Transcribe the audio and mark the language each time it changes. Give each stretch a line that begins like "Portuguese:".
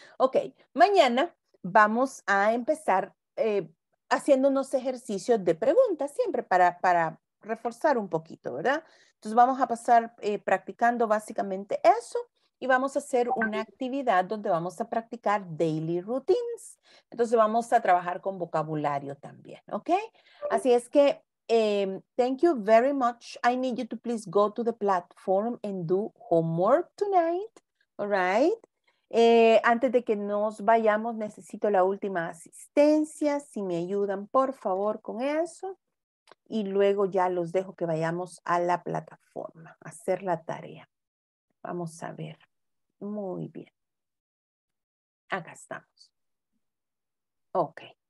Spanish: Ok, mañana vamos a empezar haciendo unos ejercicios de preguntas siempre para reforzar un poquito, ¿verdad? Entonces vamos a pasar practicando básicamente eso y vamos a hacer una actividad donde vamos a practicar daily routines. Entonces vamos a trabajar con vocabulario también, ¿ok? Así es que,
English: thank you very much. I need you to please go to the platform and do homework tonight, all right?
Spanish: Antes de que nos vayamos, necesito la última asistencia. Si me ayudan, por favor, con eso. Y luego ya los dejo que vayamos a la plataforma, a hacer la tarea. Vamos a ver. Muy bien. Acá estamos. Ok.